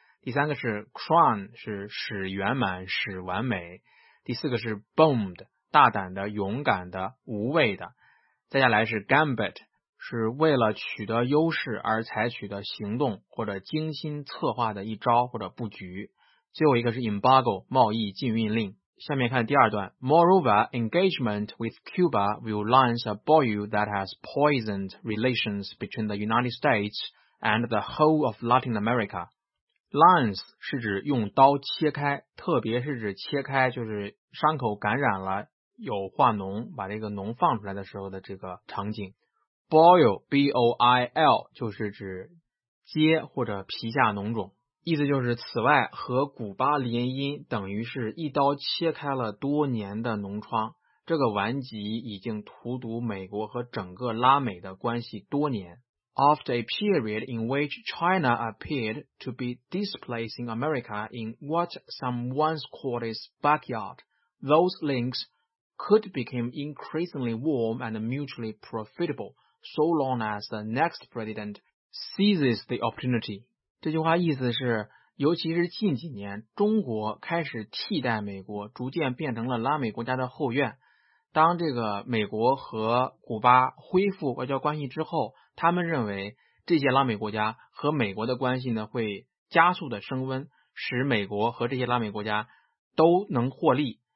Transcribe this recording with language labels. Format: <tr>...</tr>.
<zh>第三个是 crown， 是使圆满使完美。第四个是 bold， 大胆的勇敢的无畏的。再下来是 gambit， 是为了取得优势而采取的行动或者精心策划的一招或者布局。最后一个是 embargo， 贸易禁运令。下面看第二段。</zh> <en>Moreover, engagement with Cuba will launch a boil that has poisoned relations between the United States and the whole of Latin America.</en> <zh>Lance 是指用刀切开，特别是指切开就是伤口感染了有化脓，把这个脓放出来的时候的这个场景。 Boil, B-O-I-L 就是指接或者皮下脓肿，意思就是此外和古巴联姻等于是一刀切开了多年的脓疮，这个顽疾已经荼毒美国和整个拉美的关系多年。</zh> <en>After a period in which China appeared to be displacing America in what some once called its backyard, those links could become increasingly warm and mutually profitable so long as the next president seizes the opportunity.</en> <zh>这句话意思是，尤其是近几年，中国开始替代美国，逐渐变成了拉美国家的后院。当这个美国和古巴恢复外交关系之后，他们认为这些拉美国家和美国的关系呢，会加速的升温，使美国和这些拉美国家都能获利。</zh>